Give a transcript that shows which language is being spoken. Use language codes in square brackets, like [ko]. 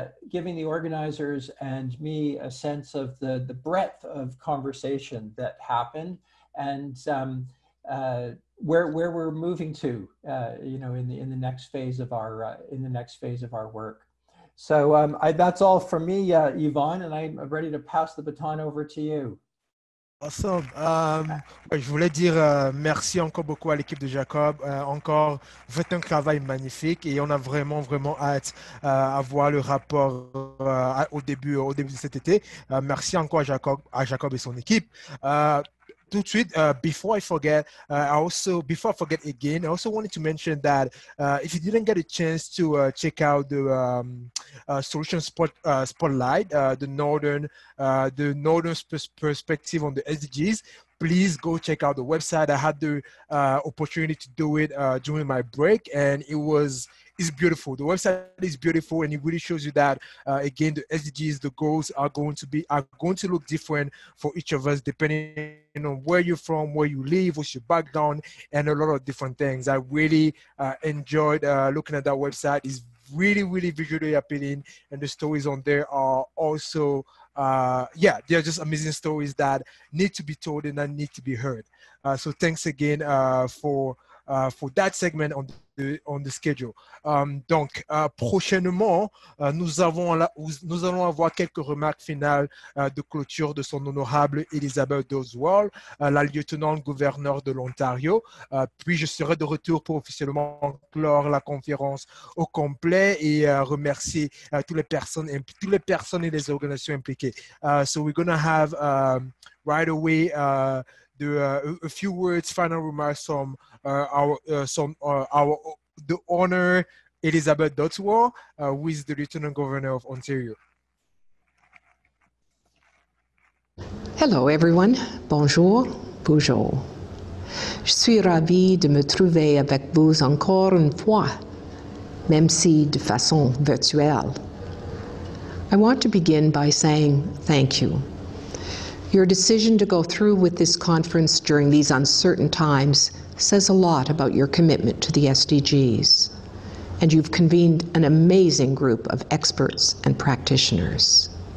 [en] giving the organizers and me a sense of the breadth of conversation that happened, and where we're moving to, in the next phase of our in the next phase of our work. So that's all from me, Yvonne, and I'm ready to pass the baton over to you. Awesome. [fr] Je voulais dire merci encore beaucoup à l'équipe de Jacob. Encore, fait un travail magnifique et on a vraiment, vraiment hâte à voir le rapport au début de cet été. Merci encore à Jacob et son équipe. Tout de suite, [en] before I forget again, I also wanted to mention that if you didn't get a chance to check out the Solution Spotlight, the Northern perspective on the SDGs, please go check out the website. I had the opportunity to do it during my break, and it's beautiful. The website is beautiful, and it really shows you that again, the SDGs, the goals are going to look different for each of us depending on where you're from, where you live, what's your background, and a lot of different things. I really enjoyed looking at that website. It's really, really visually appealing, and the stories on there are also they are just amazing stories that need to be told and that need to be heard. So thanks again for that segment on the schedule. [fr] Donc prochainement, nous allons avoir quelques remarques finales de clôture de son honorable Elizabeth Dowdeswell, la lieutenante gouverneure de l'Ontario. Puis je serai de retour pour officiellement clore la conférence au complet et remercier toutes les personnes et les organisations impliquées. [en] So we're gonna have right away a few words, final remarks from the Honour Elizabeth Dowdeswell, who is the Lieutenant Governor of Ontario. Hello, everyone. [fr] Bonjour, bonjour. Je suis ravie de me trouver avec vous encore une fois, même si de façon virtuelle. [en] I want to begin by saying thank you. Your decision to go through with this conference during these uncertain times says a lot about your commitment to the SDGs. And you've convened an amazing group of experts and practitioners.